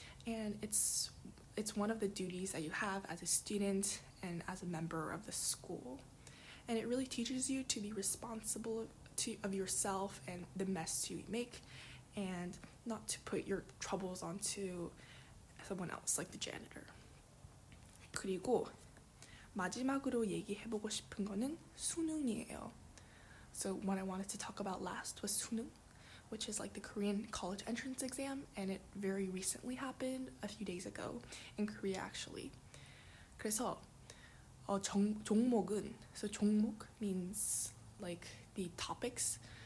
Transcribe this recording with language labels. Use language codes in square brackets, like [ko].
[en] And it's one of the duties that you have as a student and as a member of the school. And it really teaches you to be responsible of yourself and the mess you make, and not to put your troubles onto someone else, like the janitor. [ko] 그리고 마지막으로 얘기해보고 싶은 거는 수능이에요. [en] So what I wanted to talk about last was 수능, which is like the Korean college entrance exam, and it very recently happened a few days ago in Korea actually. [ko] 그래서 종목은, [en] so 종목 means like the topics.